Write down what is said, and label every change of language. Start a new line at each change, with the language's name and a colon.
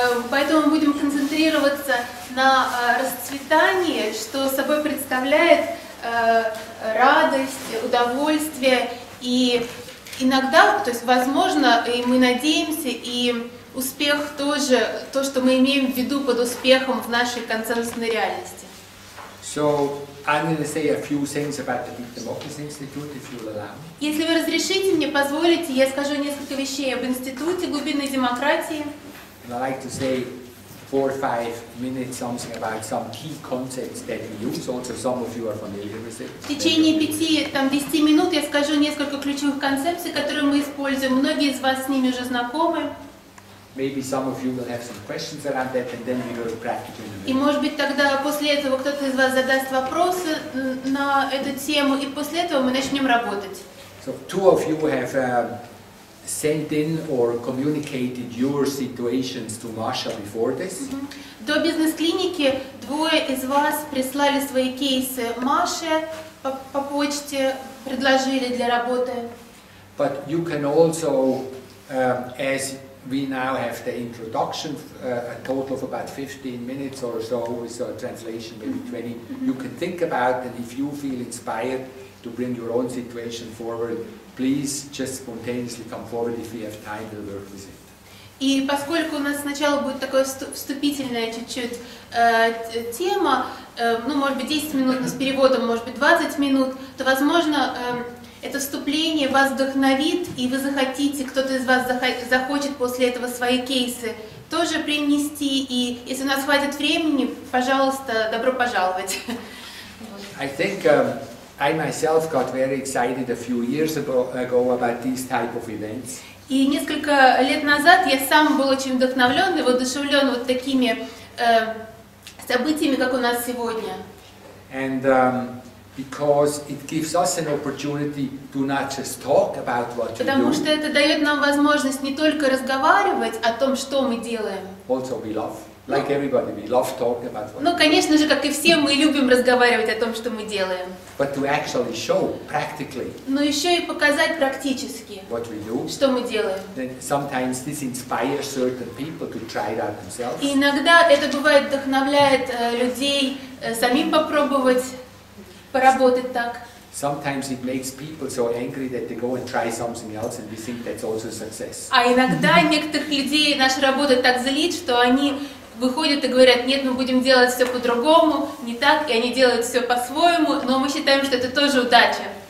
Russian: Поэтому мы будем концентрироваться на расцветании, что собой представляет радость, удовольствие, и иногда, то есть возможно, и мы надеемся, и успех тоже, то, что мы имеем в виду под успехом в нашей консенсусной реальности.
English: So, I'm going to say a few things about the Deep Democracy Institute, if you'll allow me.
Russian: Если вы разрешите мне, позволите, я скажу несколько вещей об институте глубинной демократии.
English: And I'd like to say 4 or 5 minutes something about some key concepts that we use. Also, some of you are familiar with it.
Russian: В течение 5-10 минут я скажу несколько ключевых концепций, которые мы используем. Многие из вас с ними уже знакомы.
English: Maybe some of you will have some questions around that, and then we go to practical.
Russian: И может быть тогда после этого кто-то из вас задаст вопросы на эту тему, и после этого мы начнем работать.
English: So two of you have sent in or communicated your situations to Masha before this.
Russian: До бизнес-клиники двое из вас прислали свои кейсы Маше по почте, предложили для работы.
English: But you can also as we now have the introduction, a total of about 15 minutes or so, with a translation, maybe 20. Mm-hmm. You can think about, and if you feel inspired to bring your own situation forward, please just spontaneously come forward. If we have time, we'll work with it.
Russian: И поскольку у нас сначала будет такая вступительная чуть-чуть тема, может быть 10 минут с переводом, может быть 20 минут, то возможно это вступление вас вдохновит, и вы захотите, кто-то из вас захочет после этого свои кейсы тоже принести, и если у нас хватит времени, пожалуйста, добро пожаловать.
English: I think I myself got very excited a few years ago about these type of events.
Russian: И несколько лет назад я сам был очень вдохновлен и воодушевлен вот такими событиями, как у нас сегодня.
English: And because it gives us an opportunity to not just talk about what we do.
Russian: Потому что это дает нам возможность не только разговаривать о том, что мы делаем.
English: Also we love, like everybody, we love talking about what.
Russian: Ну, конечно же, как и все, мы любим разговаривать о том, что мы делаем.
English: But to actually show practically.
Russian: Но еще и показать практически.
English: What we do.
Russian: Что мы делаем.
English: Then sometimes this inspires certain people to try it out themselves.
Russian: И иногда это бывает вдохновляет людей самим попробовать. Поработать так.
English: Sometimes it makes people so angry that they go and try something else, and we think that's also success.
Russian: А иногда некоторых людей наша работа так злит, что они выходят и говорят: нет, мы будем делать все по-другому, не так, и они делают все по-своему, но мы считаем, что это тоже удача.